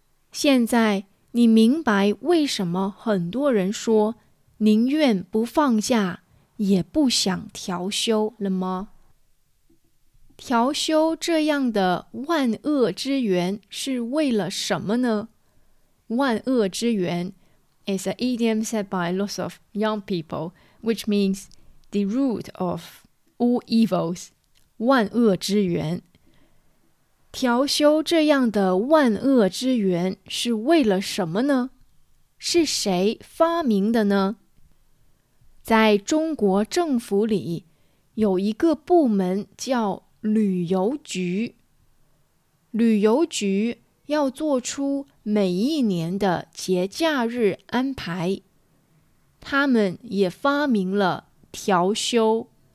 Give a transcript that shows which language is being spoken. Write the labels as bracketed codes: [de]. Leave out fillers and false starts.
[zh] 现在你明白为什么很多人说宁愿不放假也不想调休了吗？调休这样的万恶之源是为了什么呢？ [en] 万恶之源 is an idiom said by lots of young people, which means the root of all evils, 万恶之源。 [zh] 调休这样的万恶之源是为了什么呢？是谁发明的呢？在中国政府里有一个部门叫旅游局，旅游局要做出每一年的节假日安排，他们也发明了调休。